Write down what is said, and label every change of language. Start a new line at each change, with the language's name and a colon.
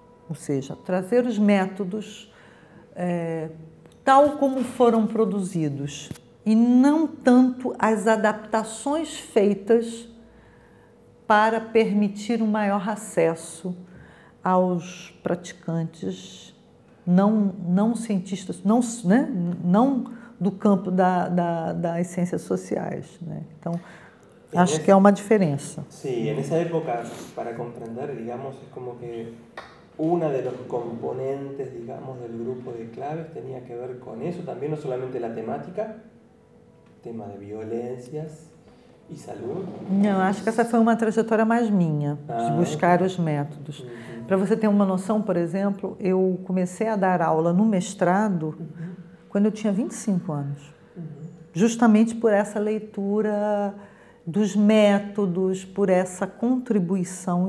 Portuguese: Ou seja, trazer os métodos tal como foram produzidos, e não tanto as adaptações feitas para permitir um maior acesso aos praticantes não cientistas, não, né? Não do campo das ciências sociais. Né? Então, acho que é uma diferença. Sim, nessa época, para compreender, digamos, é como que
Spanish: una de los componentes, digamos, del grupo de claves tenía que ver con eso también, no solamente la temática, tema de violencias y salud.
Portuguese: Não, acho que essa foi uma trajetória mais minha, de buscar os métodos. Para você ter uma noção, por exemplo, eu comecei a dar aula no mestrado quando eu tinha 25 anos, justamente por essa leitura dos métodos, por essa contribuição.